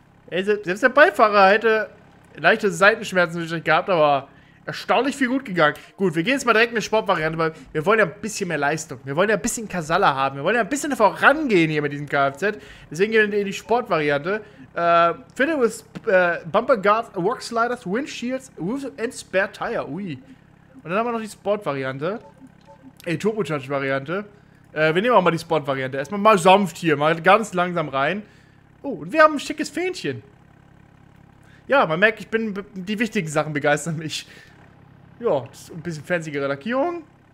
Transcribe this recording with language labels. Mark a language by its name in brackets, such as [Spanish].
[German] Ey, selbst der Beifahrer hätte leichte Seitenschmerzen natürlich gehabt, aber erstaunlich viel gut gegangen. Gut, wir gehen jetzt mal direkt in die Sportvariante, weil wir wollen ja ein bisschen mehr Leistung. Wir wollen ja ein bisschen Kasala haben. Wir wollen ja ein bisschen vorangehen hier mit diesem Kfz. Deswegen gehen wir in die Sportvariante. [English] Fitted with Bumper Guards, Rock Sliders, Windshields, Roofs and Spare Tire. Ui. [German] Und dann haben wir noch die Sportvariante. Ey, Turbocharge-Variante. Wir nehmen auch mal die Sport-Variante. Erstmal mal sanft hier, mal ganz langsam rein. Oh, und wir haben ein schickes Fähnchen. Ja, man merkt, ich bin... Die wichtigen Sachen begeistern mich. Ja, das ist ein bisschen fancyere Lackierung.